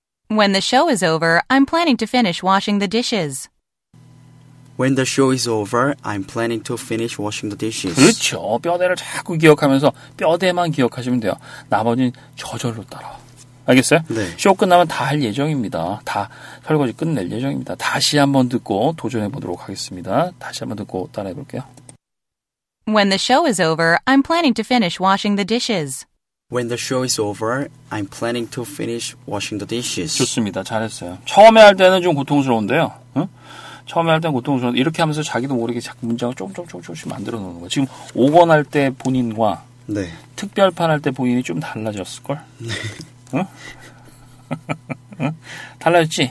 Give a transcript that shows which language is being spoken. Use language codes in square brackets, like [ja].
[en] When the show is over, I'm planning to finish washing the dishes. When the show is over, I'm planning to finish washing the dishes. [ko] 그렇죠. 뼈대를 자꾸 기억하면서 뼈대만 기억하시면 돼요. 나머지는 저절로 따라와. 알겠어요? 네. 쇼 끝나면 다 할 예정입니다. 다 설거지 끝낼 예정입니다. 다시 한번 듣고 도전해 보도록 하겠습니다. 다시 한번 듣고 따라해 볼게요. [en] When the show is over, I'm planning to finish washing the dishes. When the show is over, I'm planning to finish washing the dishes. [ko] 좋습니다. 잘했어요. 처음에 할 때는 좀 고통스러운데요. 응? 처음에 할 때는 고통스러운데 이렇게 하면서 자기도 모르게 자꾸 문장을 조금씩 만들어 놓는 거예요. 지금 5권 할 때 본인과 네. 특별판 할 때 본인이 좀 달라졌을걸? 네. 응? 달라졌지?